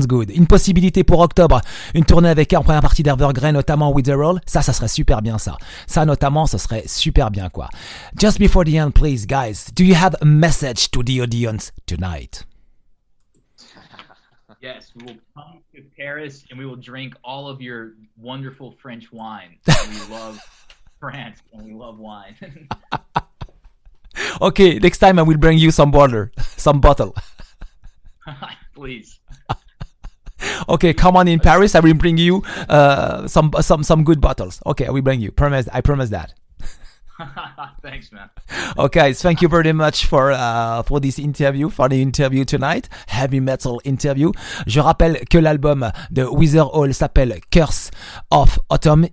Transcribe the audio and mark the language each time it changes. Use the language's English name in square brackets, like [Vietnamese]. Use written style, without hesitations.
[French] Une possibilité pour octobre, une tournée avec en première partie d'Evergrey, notamment Witherall. Ça serait super bien, ça. Ça, notamment, ce serait super bien, quoi. [English] Just before the end, please, guys, do you have a message to the audience tonight? Yes, we will come to Paris and we will drink all of your wonderful French wine. We love France and we love wine. Okay, next time I will bring you some bottle. Please. Okay, come on in Paris. I will bring you some good bottles. Okay, I will bring you. I promise that. Thanks, man. Okay, thank you very much for this interview, for the interview tonight, heavy metal interview. [French] Je rappelle que l'album de Witherfall s'appelle Curse of Autumn.